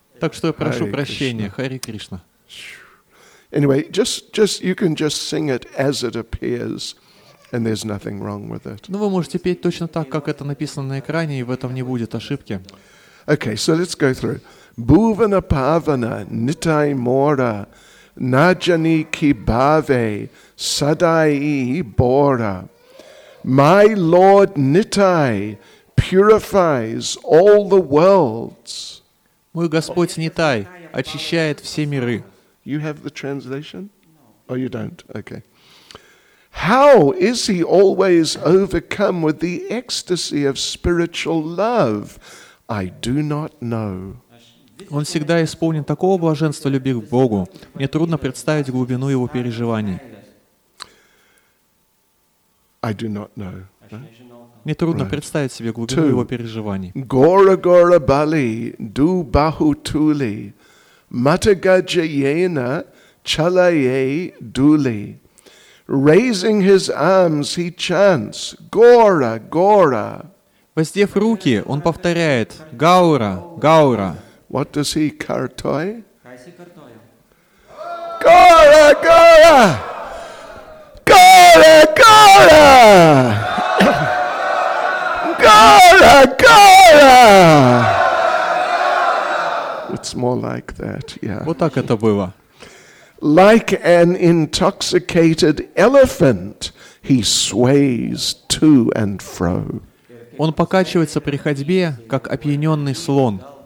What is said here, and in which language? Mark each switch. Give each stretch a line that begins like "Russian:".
Russian: Так что я прошу Hare прощения, Хари Кришна.
English: Anyway, just you can just sing it as it appears, and there's nothing wrong with it.
Russian: Ну вы можете петь точно так, как это написано на экране, и в этом не будет ошибки.
English: Okay, so let's go through.
Bangla: Bhuvana Pavana, Nitai Mora, Najani Ki Bhave, Sadai Bora.
English: My Lord Nitai purifies all the worlds.
Russian: Мой Господь Нитай очищает все миры.
English: You have the translation? No. Oh, you don't? Okay. How is he always overcome with the ecstasy of spiritual love? I do not know.
Russian: Он всегда исполнен такого блаженства любви к Богу. Мне трудно представить глубину его переживаний.
English: I do not know.
Russian: Мне трудно представить себе глубину его переживаний.
Bangla: Gora Gora Bali, Du Bahu Tuli, Matagajayena Chalaye Duli.
English: Raising his arms, he chants, Gora Gora.
Russian: Воздев руки, он повторяет, Гаура, Гаура.
English: What does he картой? Gora Gora! Gora Gora! Gora Gora! It's more like that, yeah.
Russian: Вот так это было.
English: Like an intoxicated elephant, he sways to and fro.
Russian: Он покачивается при ходьбе, как опьяненный слон.